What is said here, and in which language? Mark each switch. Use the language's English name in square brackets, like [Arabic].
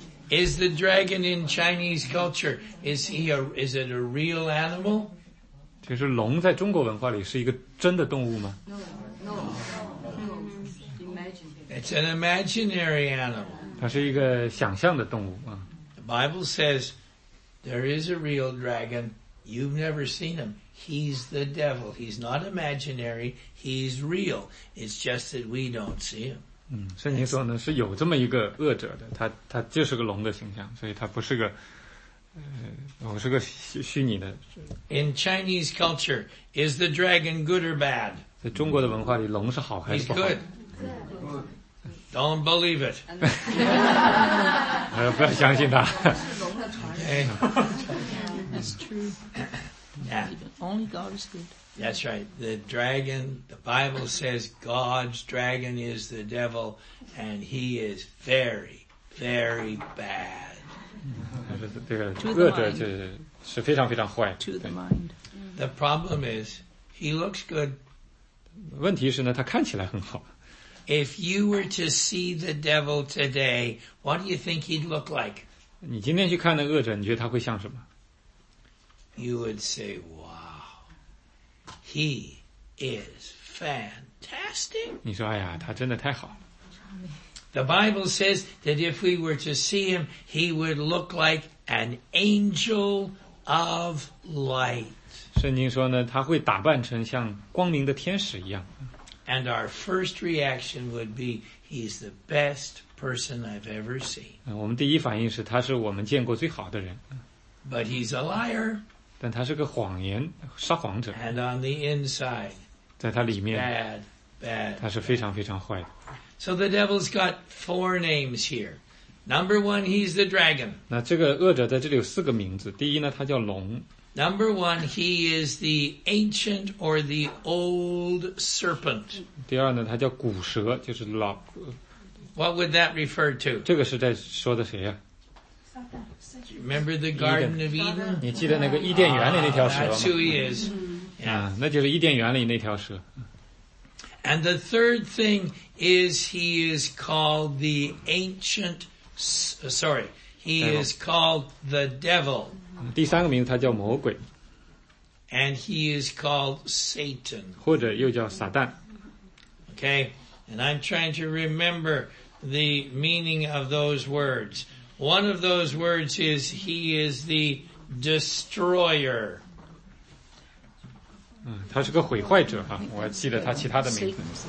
[English] Is the dragon in Chinese culture? Is it a real animal? [Chinese] 其实龙在中国文化里是一个真的动物吗 [English] No. It's an imaginary animal. [Chinese] 它是一个想象的动物啊。 [English] The Bible says there is a real dragon. You've never seen him. He's the devil. He's not imaginary. He's real. It's just that we don't see him. [Chinese] 圣经说呢是有这么一个恶者的他就是个龙的形象所以他不是个我是个 虚拟的。 [English] In Chinese culture, is the dragon good or bad? [Chinese] 在中国的文化里龙是好还是不好 [English] He's good. Don't believe it. [Chinese] 不要相信他。 [English] That's true. Only God is good. That's right. The dragon, the Bible says God's dragon is the devil, and he is very, very bad. [Chinese] 这个恶者就是非常非常坏。 [English] To the mind. The problem is, he looks good. [Chinese] 问题是呢，他看起来很好。 [English] If you were to see the devil today, what do you think he'd look like? [Chinese] 你今天去看那恶者，你觉得他会像什么？ [English] You would say what? He is fantastic. [Chinese] 你说哎呀他真的太好了。 [English] The Bible says that if we were to see him, he would look like an angel of light. [Chinese] 圣经说呢他会打扮成像光明的天使一样。 [English] And our first reaction would be, he's the best person I've ever seen. [Chinese] 我们第一反应是他是我们见过最好的人。 [English] But he's a liar. [Chinese] 但他是个谎言撒谎者 [English] And on the inside, [Chinese] 在他里面 [English] bad, [Chinese] 他是非常非常坏的 [English] So the devil's got four names here Number one, he's the dragon [Chinese] 那这个恶者在这里有四个名字第一呢他叫龙 [English] Number one, he is the ancient or the old serpent [Chinese] 第二呢他叫古蛇就是老 [English] What would that refer to? [Chinese] 这个是在说的谁啊 [English] Do you remember the Garden of Eden? [Chinese] 你记得那个伊甸园里那条蛇吗 [English] That's who he is. Yeah. [Chinese] 那就是伊甸园里那条蛇。 [English] And the third thing is he is called the ancient, sorry, he is called the devil. [Chinese] 第三个名字他叫魔鬼。 [English] And he is called Satan. [Chinese] 或者又叫撒旦。 [English] Okay, and I'm trying to remember the meaning of those words. One of those words is he is the destroyer. [Chinese] 他是个毁坏者哈，我还记得他其他的名字。